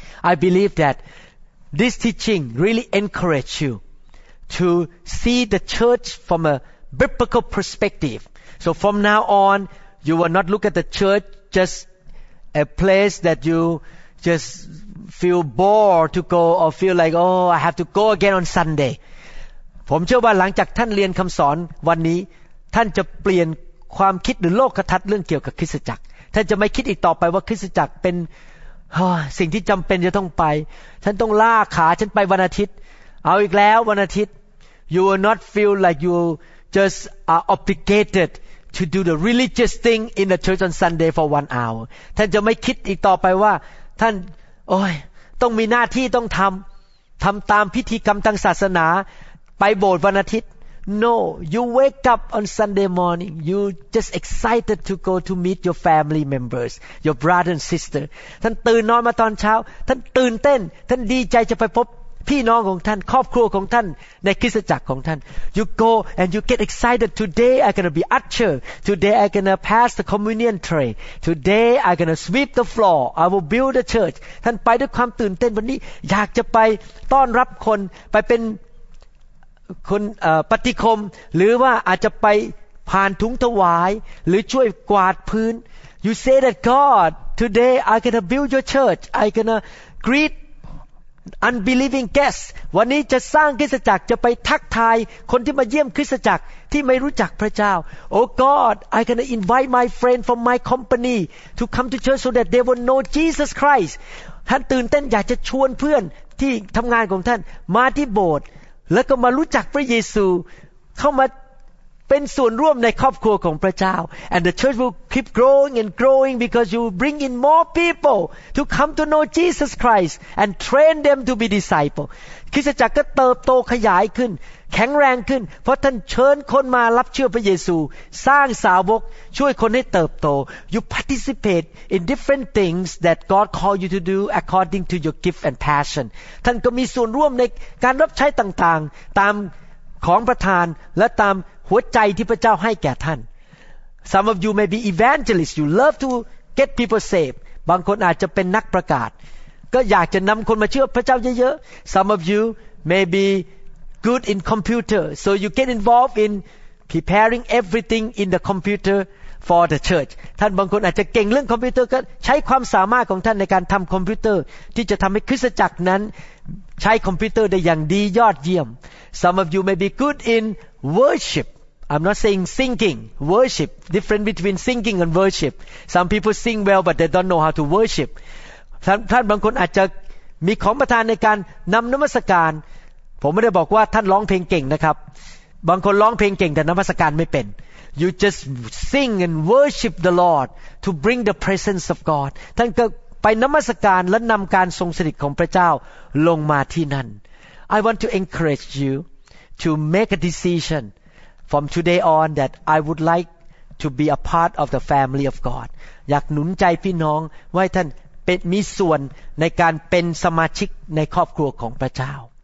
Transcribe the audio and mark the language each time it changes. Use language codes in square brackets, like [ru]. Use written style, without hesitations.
[en] I believe that this teaching really encourages you to see the church from a biblical perspective so from now on you will not look at the church just a place that you just feel bored to go or feel like oh I have to go again on Sunday [th] ผมเชื่อว่าหลังจากท่านเรียนคำสอนวันนี้ท่านจะเปลี่ยนความคิดหรือโลกทัศน์เรื่องเกี่ยวกับคริสตจักรท่านจะไม่คิดอีกต่อไปว่าคริสตจักรเป็นสิ่งที่จำเป็นจะต้องไปท่านต้องล่าขาฉันไปวันอาทิตย์เอาอีกแล้ววันอาทิตย์ [en] You will not feel like you just are obligated to do the religious thing in the church on Sunday for 1 hour [th] ท่านจะไม่คิดอีกต่อไปว่าท่านโอ้ยต้องมีหน้าที่ต้องทำตามพิธีกรรมทางศาสนาไปโบสถ์วันอาทิตย์ [en] No you wake up on Sunday morning you just excited to go to meet your family members your brother and sister [th] ท่านตื่นนอนมาตอนเช้าท่านตื่นเต้นท่านดีใจจะไปพบพี่น้องของท่านครอบครัวของท่านในคริสตจักรของท่าน [en] You go and you get excited today I'm gonna be usher today I'm gonna pass the communion tray today I'm gonna sweep the floor I will build the church [th] ท่านไปด้วยความตื่นเต้นวันนี้อยากจะไปต้อนรับคนไปเป็นคนปฏิคมหรือว่าอาจจะไปผ่านถุงถวายหรือช่วยกวาดพื้น [en] You say that God today I'm gonna build your church I'm gonna greet unbelieving guests [th] วันนี้จะสร้างคริสตจักรจะไปทักทายคนที่มาเยี่ยมคริสตจักรที่ไม่รู้จักพระเจ้า [en] Oh God I'm gonna invite my friend from my company to come to church so that they will know Jesus Christ [th] ท่านตื่นเต้นอยากจะชวนเพื่อนที่ทำงานของท่านมาที่โบสถ์แล้วก็มารู้จักพระเยซูเข้ามาเป็นส่วนร่วมในครอบครัวของพระเจ้า [en] and the church will keep growing and growing because you bring in more people to come to know Jesus Christ and train them to be disciples [th] คริสตจักรก็เติบโตขยายขึ้นแข็งแรงขึ้นเพราะท่านเชิญคนมารับเชื่อพระเยซูสร้างสาวกช่วยคนให้เติบโต [en] you participate in different things that God call you to do according to your gift and passion [th] ท่านก็มีส่วนร่วมในการรับใช้ต่างๆตามของประทานและตามหัวใจที่พระเจ้าให้แก่ท่าน [en] Some of you may be evangelists you love to get people saved [th] บางคนอาจจะเป็นนักประกาศก็อยากจะนำคนมาเชื่อพระเจ้าเยอะ [en] ๆ Some of you may be good in computer so you get involved in preparing everything in the computer for the church [th] ท่านบางคนอาจจะเก่งเรื่องคอมพิวเตอร์ก็ใช้ความสามารถของท่านในการทำคอมพิวเตอร์ที่จะทำให้คริสตจักรนั้นใช้คอมพิวเตอร์ได้อย่างดียอดเยี่ยม [en] Some of you may be good in worship I'm not saying singing worship different between singing and worship Some people sing well but they don't know how to worship [th] ท่านบางคนอาจจะมีของประทานในการนำนมัสการผมไม่ได้บอกว่าท่านร้องเพลงเก่งนะครับบางคนร้องเพลงเก่งแต่นมัสการไม่เป็น [en] You just sing and worship the Lord to bring the presence of God [th] ท่านก็ ไปนมัสการและนำการทรงสถิตของพระเจ้าลงมาที่นั่น [en] I want to encourage you to make a decision from today on that I would like to be a part of the family of God [th] อยากหนุนใจพี่น้องว่าท่านเป็นมีส่วนในการเป็นสมาชิกในครอบครัวของพระเจ้า